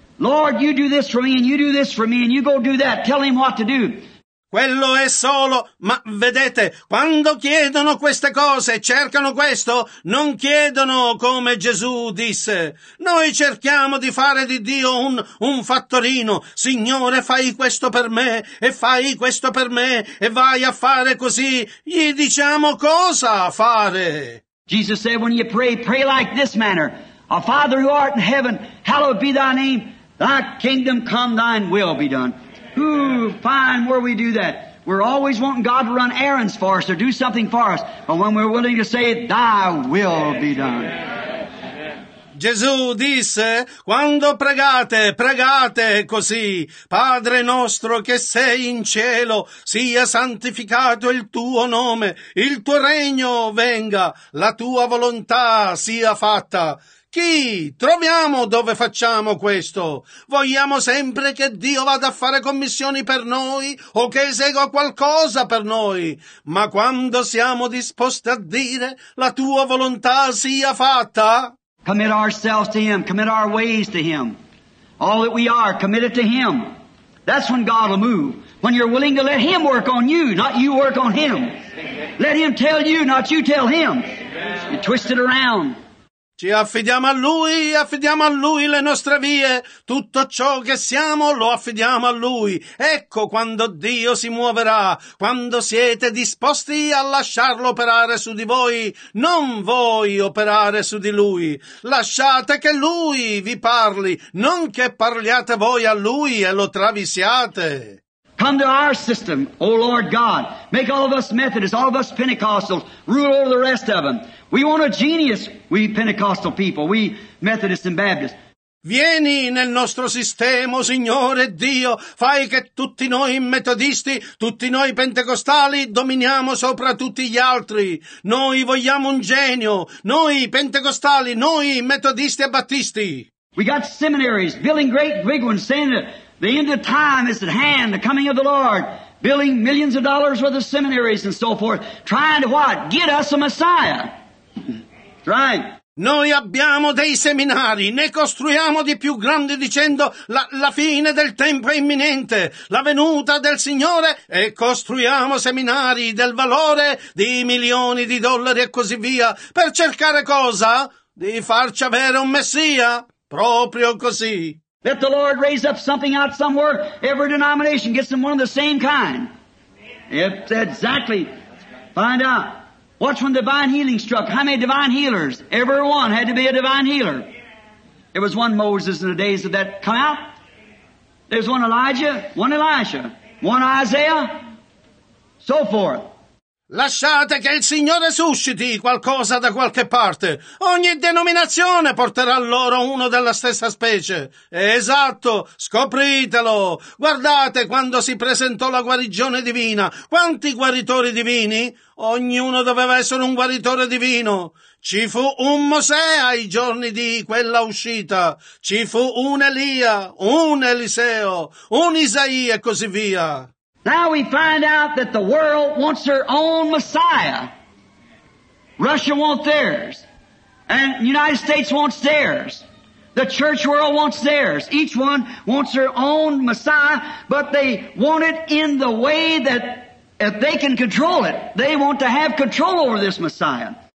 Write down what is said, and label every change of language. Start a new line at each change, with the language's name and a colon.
English: Lord, you do this for me, and you do this for me, and you go do that. Tell him what to do.
Italian: Quello è solo, ma vedete, quando chiedono queste cose, cercano questo, non chiedono come Gesù disse. Noi cerchiamo di fare di Dio un fattorino. Signore, fai questo per me, e fai questo per me, e vai a fare così. Gli diciamo cosa fare.
English: Jesus said, when you pray, pray like this manner. Our Father who art in heaven, hallowed be thy name. Thy kingdom come, thine will be done. Ooh, fine, where we do that. We're always wanting God to run errands for us or do something for us. But when we're willing to say, Thy will be done.
Italian: Gesù disse, quando pregate, pregate così, Padre nostro che sei in cielo, sia santificato il tuo nome, il tuo regno venga, la tua volontà sia fatta. Chi troviamo dove facciamo questo? Vogliamo sempre che Dio vada a fare commissioni per noi o che esegua qualcosa per noi. Ma quando siamo disposti a dire, la tua volontà sia fatta?
English: Commit ourselves to Him. Commit our ways to Him. All that we are, commit it to Him. That's when God will move. When you're willing to let Him work on you, not you work on Him. Let Him tell you, not you tell Him. You twist it around.
Italian: Ci affidiamo a Lui le nostre vie. Tutto ciò che siamo lo affidiamo a Lui. Ecco quando Dio si muoverà, quando siete disposti a lasciarlo operare su di voi, non voi operare su di Lui. Lasciate che Lui vi parli, non che parliate voi a Lui e lo travisiate.
English: Come to our system, O Lord God. Make all of us Methodists, all of us Pentecostals, rule over the rest of them. We want a genius, we Pentecostal people, we Methodists and Baptists.
Italian: Vieni nel nostro sistema, Signore Dio, fai che tutti noi metodisti, tutti noi pentecostali, dominiamo sopra tutti gli altri. Noi vogliamo un genio, noi pentecostali, noi metodisti e battisti.
English: We got seminaries, building great big ones, saying that the end of time is at hand, the coming of the Lord. Building millions of dollars worth of seminaries and so forth, trying to what? Get us a Messiah. Right.
Italian: Noi abbiamo dei seminari, ne costruiamo di più grandi dicendo la fine del tempo è imminente, la venuta del Signore, e costruiamo seminari del valore di milioni di dollari e così via, per cercare cosa? Di farci avere un Messia, proprio così.
English: Let the Lord raise up something out somewhere, every denomination gets them one of the same kind. It's exactly, find out. Watch when divine healing struck. How many divine healers? Every one had to be a divine healer. There was one Moses in the days of that come out. There's one Elijah, one Elisha, one Isaiah, so forth.
Italian: Lasciate che il Signore susciti qualcosa da qualche parte. Ogni denominazione porterà loro uno della stessa specie. Esatto, scopritelo. Guardate quando si presentò la guarigione divina. Quanti guaritori divini? Ognuno doveva essere un guaritore divino. Ci fu un Mosè ai giorni di quella uscita. Ci fu un Elia, un Eliseo, un Isaia e così via.
English: Now we find out that the world wants their own Messiah. Russia wants theirs. And the United States wants theirs. The church world wants theirs. Each one wants their own Messiah, but they want it in the way that if they can control it, they want to have control over this Messiah.